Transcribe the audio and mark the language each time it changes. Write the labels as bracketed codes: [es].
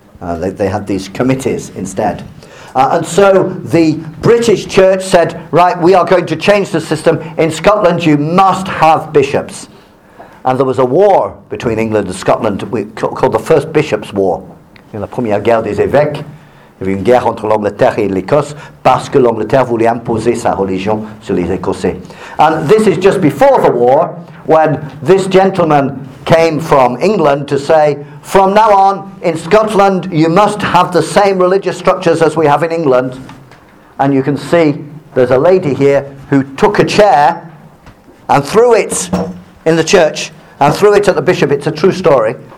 [en] They had these committees instead. And so the British Church said, right, we are going to change the system. In Scotland, you must have bishops. And there was a war between England and Scotland called the First Bishops' War. [fr] La première guerre des évêques. Il y avait une guerre entre l'Angleterre et l'Écosse parce que l'Angleterre voulait imposer sa religion sur les Écossais. [en] And this is just before the war when this gentleman came from England to say, from now on, in Scotland, you must have the same religious structures as we have in England. And you can see there's a lady here who took a chair and threw it in the church and threw it at the bishop. It's a true story.